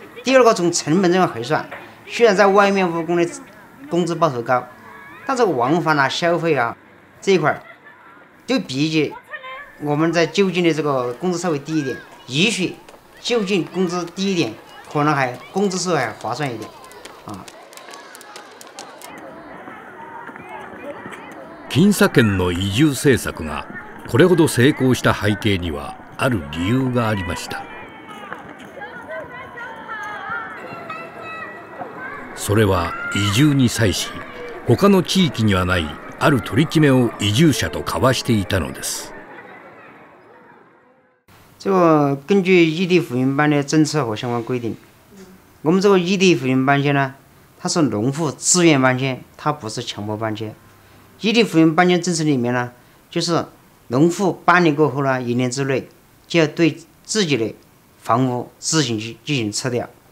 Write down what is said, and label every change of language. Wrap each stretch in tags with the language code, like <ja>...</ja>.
<zh>第二个从成本这样核算，虽然在外面务工的工资报酬高，但是往返啊消费啊这一块，就比起我们在就近的这个工资稍微低一点，也许就近工资低一点，可能还工资是还划算一点。</zh> <ja>金沙県の移住政策がこれほど成功した背景にはある理由がありました。それは移住に際し他の地域にはないある取り決めを移住者と交わしていたのです。</ja> <zh>这个根据异地扶贫办的政策和相关规定，我们这个异地扶贫办呢，它是农户自愿搬迁，它不是强迫搬迁。异地扶贫搬迁政策里面呢，就是农户搬离过后呢，一年之内就要对自己的房屋自行去进行撤掉。</zh>